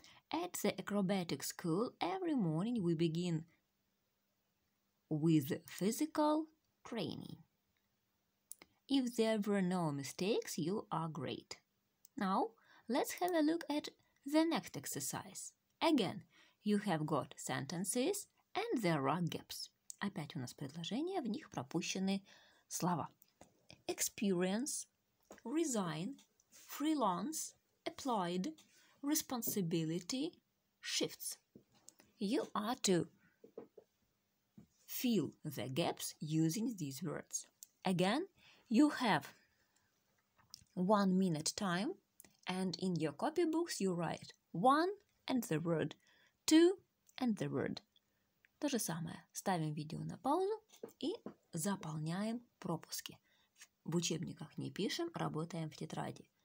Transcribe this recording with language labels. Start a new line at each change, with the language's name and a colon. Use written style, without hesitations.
English: At the acrobatic school, every morning we begin with physical training. If there were no mistakes, you are great. Now, let's have a look at the next exercise. Again, you have got sentences and there are gaps.
Russian: Опять у нас предложения, в них пропущены слова.
English: Experience, resign, freelance, applied, responsibility, shifts. You are to fill the gaps using these words. Again, you have 1 minute time, and in your copybooks you write one and the word, two and the word.
Russian: То же самое. Ставим видео на паузу и заполняем пропуски. В учебниках не пишем, работаем в тетради.